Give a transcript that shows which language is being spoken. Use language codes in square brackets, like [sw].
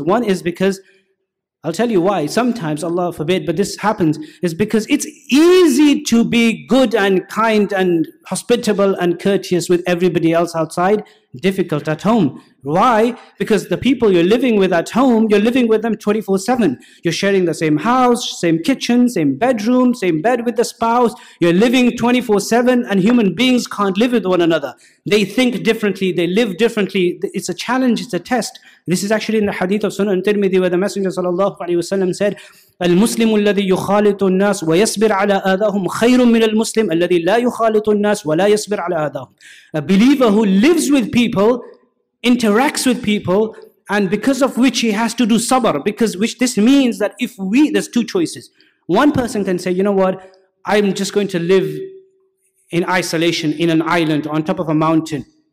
[en] One is because, I'll tell you why, sometimes, Allah forbid, but this happens, is because it's easy to be good and kind and hospitable and courteous with everybody else outside, difficult at home. Why? Because the people you're living with at home, you're living with them 24/7. You're sharing the same house, same kitchen, same bedroom, same bed with the spouse. You're living 24/7, and human beings can't live with one another. They think differently. They live differently. It's a challenge. It's a test. This is actually in the hadith of Sunan Tirmidhi, where the Messenger sallallahu alaihi wasallam said, [ar] المسلم الذي يخالط الناس ويصبر على آذاهم خير من المسلم الذي لا يخالط الناس ولا يصبر على آذاهم. [en] A believer who lives with people, interacts with people, and because of which he has to do sabr, because which this means that if we, there's two choices. One person can say, you know what, I'm just going to live in isolation in an island on top of a mountain.